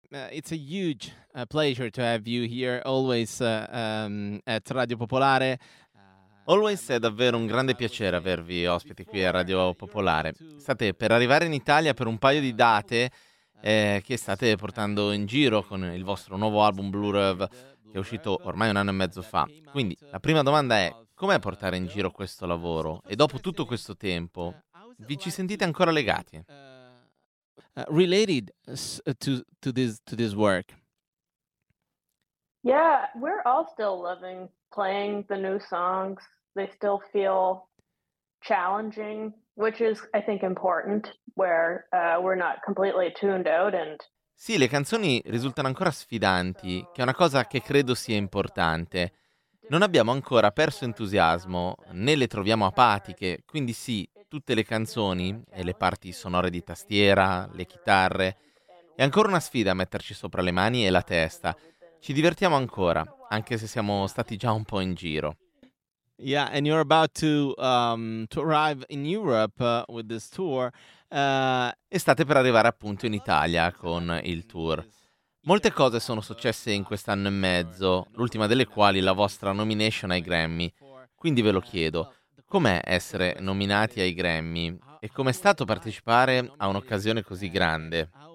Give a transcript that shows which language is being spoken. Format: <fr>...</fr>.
<en>It's a huge pleasure to have you here always at Radio Popolare.</en> <it>Always è davvero un grande piacere avervi ospiti qui a Radio Popolare. State per arrivare in Italia per un paio di date che state portando in giro con il vostro nuovo album Blue Rev, che è uscito ormai un anno e mezzo fa. Quindi la prima domanda è: com'è portare in giro questo lavoro? E dopo tutto questo tempo, vi ci sentite ancora legati?</it> <en>Related to this work. Yeah, we're all still loving playing the new songs. They still feel challenging, which is I think important, where we're not completely tuned out and.</en> <it>Sì, le canzoni risultano ancora sfidanti, che è una cosa che credo sia importante. Non abbiamo ancora perso entusiasmo, né le troviamo apatiche, quindi sì, tutte le canzoni e le parti sonore di tastiera, le chitarre, è ancora una sfida metterci sopra le mani e la testa. Ci divertiamo ancora, anche se siamo stati già un po' in giro.</it> <en>Yeah, and you're about to arrive in Europe with this tour.</en> <it>E state per arrivare appunto in Italia con il tour. Molte cose sono successe in quest'anno e mezzo, l'ultima delle quali la vostra nomination ai Grammy. Quindi ve lo chiedo, com'è essere nominati ai Grammy e com'è stato partecipare a un'occasione così grande?</it>